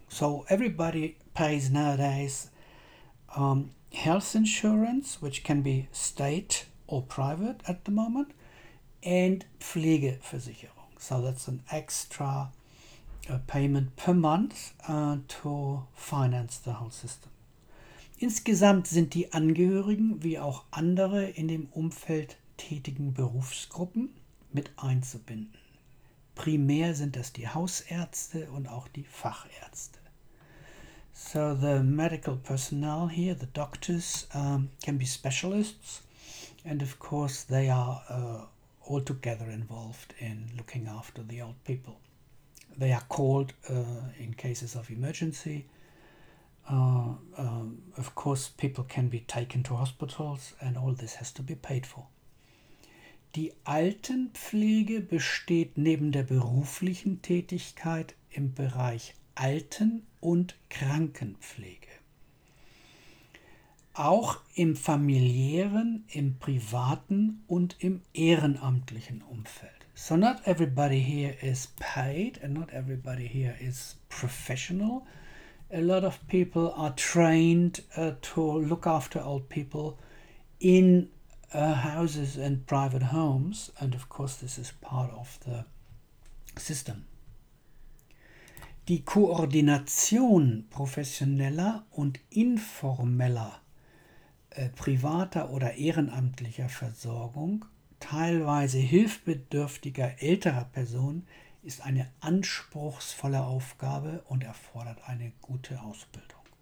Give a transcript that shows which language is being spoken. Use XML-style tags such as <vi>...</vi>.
<en>So everybody pays nowadays health insurance, which can be state or private at the moment, and Pflegeversicherung. So that's an extra payment per month to finance the whole system.</en> <de>Insgesamt sind die Angehörigen wie auch andere in dem Umfeld tätigen Berufsgruppen mit einzubinden. Primär sind das die Hausärzte und auch die Fachärzte.</de> <en>So the medical personnel here, the doctors, can be specialists, and of course they are all together involved in looking after the old people. They are called in cases of emergency. Of course people can be taken to hospitals, and all this has to be paid for.</en> <de>Die Altenpflege besteht neben der beruflichen Tätigkeit im Bereich Alten- und Krankenpflege auch im familiären, im privaten und im ehrenamtlichen Umfeld.</de> <en>So not everybody here is paid and not everybody here is professional. A lot of people are trained to look after old people in houses and private homes, and of course this is part of the system.</en> <de>Die Koordination professioneller und informeller privater oder ehrenamtlicher Versorgung teilweise hilfsbedürftiger älterer Personen ist eine anspruchsvolle Aufgabe und erfordert eine gute Ausbildung.</de>